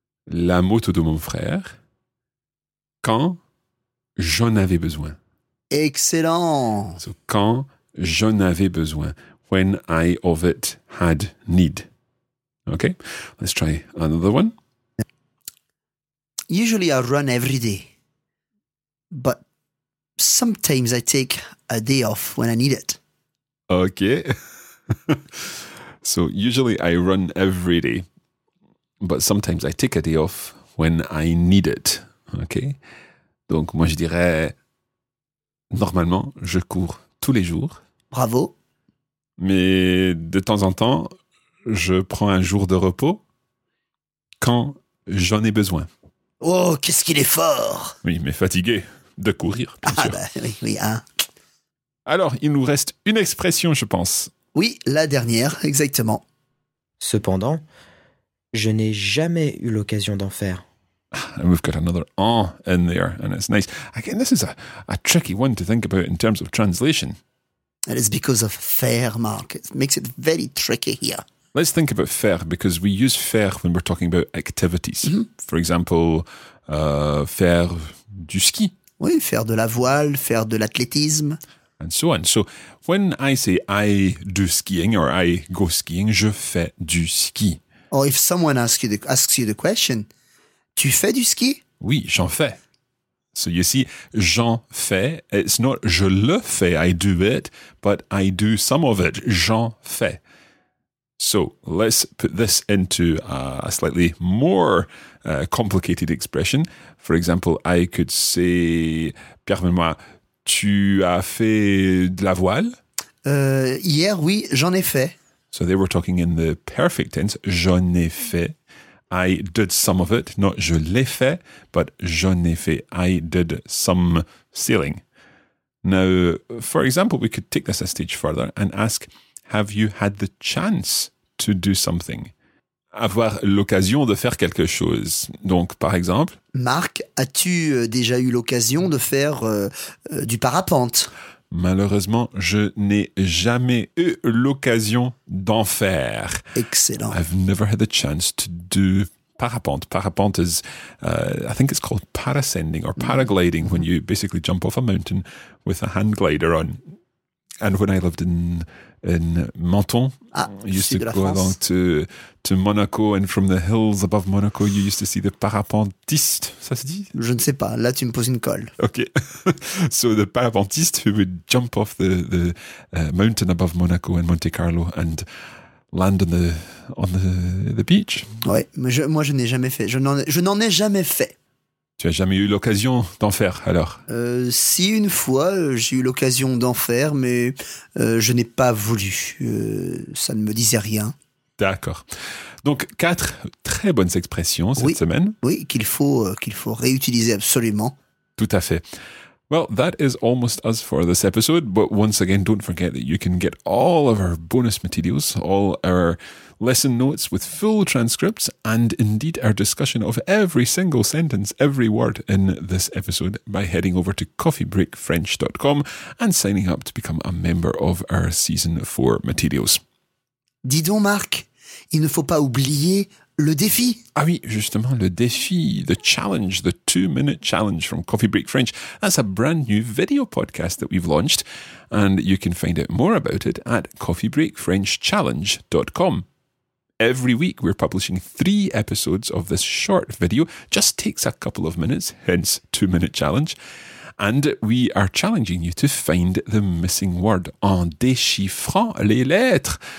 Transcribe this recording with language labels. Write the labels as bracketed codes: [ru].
[fr] La moto de mon frère, quand j'en avais besoin. [en] Excellent! [fr] So, quand j'en avais besoin. [en] When I of it had need. Okay, let's try another one. Usually I run every day, but sometimes I take a day off when I need it. Okay. So, usually I run every day. But sometimes I take a day off when I need it. Okay? [fr] Donc, moi, je dirais, normalement, je cours tous les jours. Bravo. Mais de temps en temps, je prends un jour de repos quand j'en ai besoin. Oh, qu'est-ce qu'il est fort! Oui, mais fatigué de courir, bien sûr. Ah, bah, oui, hein. Alors, il nous reste une expression, je pense. Oui, la dernière, exactement. Cependant, je n'ai jamais eu l'occasion d'en faire. [en] And we've got another en in there, and it's nice. Again, this is a tricky one to think about in terms of translation. It is because of faire, Marc. It makes it very tricky here. Let's think about faire, because we use faire when we're talking about activities. Mm-hmm. For example, [fr] faire du ski. Oui, faire de la voile, faire de l'athlétisme. [en] And so on. So when I say I do skiing or I go skiing, [fr] je fais du ski. [en] Or if someone asks you the question, [fr] Tu fais du ski? Oui, j'en fais. [en] So you see, [fr] j'en fais. [en] It's not [fr] je le fais, [en] I do it, but I do some of it. [fr] J'en fais. [en] So let's put this into a slightly more complicated expression. For example, I could say, [fr] permets-moi, tu as fait de la voile? Hier, oui, j'en ai fait. [en] So they were talking in the perfect tense, [fr] j'en ai fait. [en] I did some of it, not [fr] je l'ai fait, [en] but [fr] j'en ai fait. [en] I did some sailing. Now, for example, we could take this a stage further and ask, have you had the chance to do something? [fr] Avoir l'occasion de faire quelque chose. Donc, par exemple... Marc, as-tu déjà eu l'occasion de faire du parapente? Malheureusement, je n'ai jamais eu l'occasion d'en faire. [en] Excellent. I've never had the chance to do parapente. Parapente is, I think it's called parascending or paragliding, when you basically jump off a mountain with a hand glider on. And when I lived in Menton, I used to go France. Along to Monaco, and from the hills above Monaco, you used to see the parapentiste, [fr] ça se dit? Je ne sais pas, là tu me poses une colle. [en] Okay, so the parapentiste who would jump off the mountain above Monaco and Monte Carlo and land on the beach. [fr] Ouais, mais moi je n'ai jamais fait, je n'en ai jamais fait. Tu n'as jamais eu l'occasion d'en faire, alors? Si, une fois, j'ai eu l'occasion d'en faire, mais je n'ai pas voulu. Ça ne me disait rien. D'accord. Donc, quatre très bonnes expressions cette semaine. Oui, qu'il faut réutiliser absolument. Tout à fait. [en] Well, that is almost us for this episode. But once again, don't forget that you can get all of our bonus materials, all our lesson notes with full transcripts, and indeed our discussion of every single sentence, every word in this episode by heading over to coffeebreakfrench.com and signing up to become a member of our Season 4 materials. [fr] Dis donc, Marc, il ne faut pas oublier le défi. Ah oui, justement, le défi, [en] the challenge, the 2-minute challenge from Coffee Break French. That's a brand new video podcast that we've launched, and you can find out more about it at coffeebreakfrenchchallenge.com. Every week, we're publishing 3 episodes of this short video. Just takes a couple of minutes, hence 2-minute challenge. And we are challenging you to find the missing word [fr] en déchiffrant les lettres.